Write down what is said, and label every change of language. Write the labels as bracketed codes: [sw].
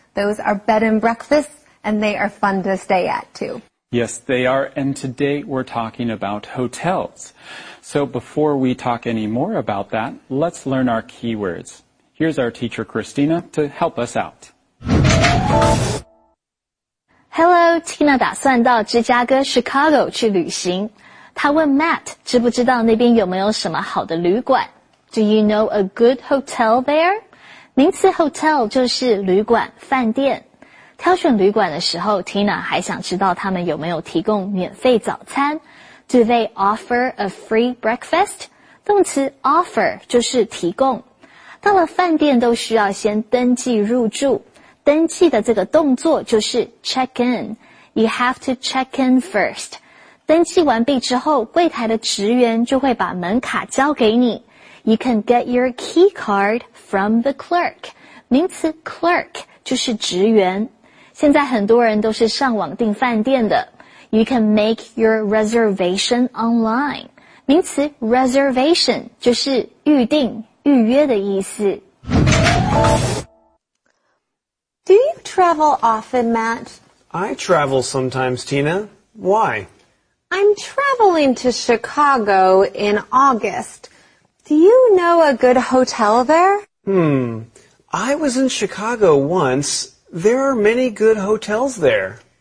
[en] Those are bed and breakfasts, and they are fun to stay at, too. Yes, they are, and today we're talking about hotels. So before we talk any more about that, let's learn our keywords. Here's our teacher, Christina, to help us out. [zh] Hello, Tina 打算到芝加哥 Chicago 去旅行。他问 Matt 知不知道那边有没有什么好的旅馆。 [en] Do you know a good hotel there? [zh] 名词 hotel 就是旅馆、饭店。挑选旅馆的时候 ,Tina 还想知道他们有没有提供免费早餐。 [en] Do they offer a free breakfast? [zh] 动词 offer 就是提供。到了饭店都需要先登记入住。登记的这个动作就是 check in. [en] You have to check in first. [zh] 登记完毕之后，柜台的职员就会把门卡交给你。 [en] You can get your key card from the clerk. [zh] 名词 clerk 就是职员。现在很多人都是上网订饭店的。 [en] You can make your reservation online. [zh] 名词 reservation 就是预定、预约的意思。 [en] Do you travel often, Matt? I travel sometimes, Tina. Why? I'm traveling to Chicago in August. Do you know a good hotel there? I was in Chicago once. There are many good hotels there.